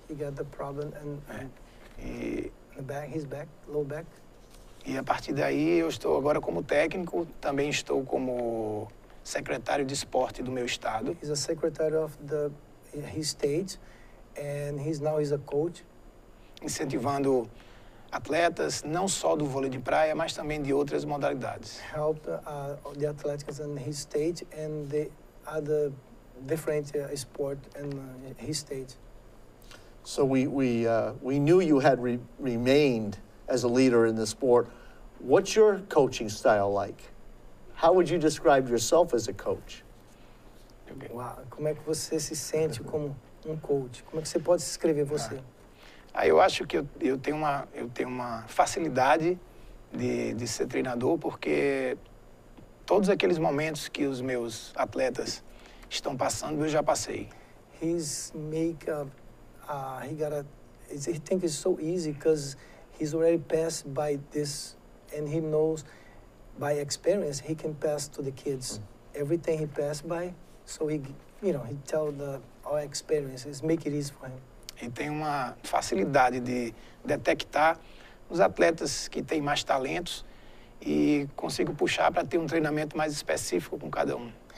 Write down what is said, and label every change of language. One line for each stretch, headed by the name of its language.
English: He got the problem and the back, his back, low back.
Portuguese: E a partir daí eu estou agora como técnico, também estou como secretário de esporte do meu estado.
English: He's a secretary of the his state and he's now is a coach
Portuguese: incentivando atletas não só do vôlei de praia, mas também de outras modalidades.
English: Help the athletes in his state and the other different sport in his state. So we knew you had remained as a leader in the sport. What's your coaching style like? How would you describe yourself as a coach? Wow.
Portuguese: Como é que você se sente como coach? Como é que você pode descrever você? Eu acho que eu tenho uma facilidade de ser treinador porque todos aqueles momentos que os meus atletas estão passando, eu já passei.
English: His makeup, he thinks it's so easy because he's already passed by this. And he knows by experience he can pass to the kids everything he passed by, so he, you know, he tell the all experiences, make it easy for him.
Portuguese: Ele tem uma facilidade de detectar os atletas que têm mais talentos e consigo puxar para ter um treinamento mais específico com cada um.